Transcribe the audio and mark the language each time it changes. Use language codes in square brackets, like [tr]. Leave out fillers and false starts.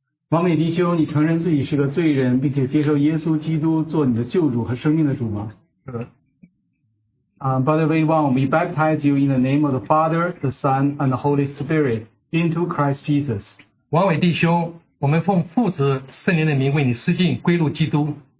[zh] 王美弟兄，你承认自己是个罪人，并且接受耶稣基督做你的救主和生命的主吗？是的。 [en] By the way, we baptize you in the name of the Father, the Son, and the Holy Spirit into Christ Jesus. [zh] 王美弟兄，我们奉父子圣灵的名为你施浸归入基督。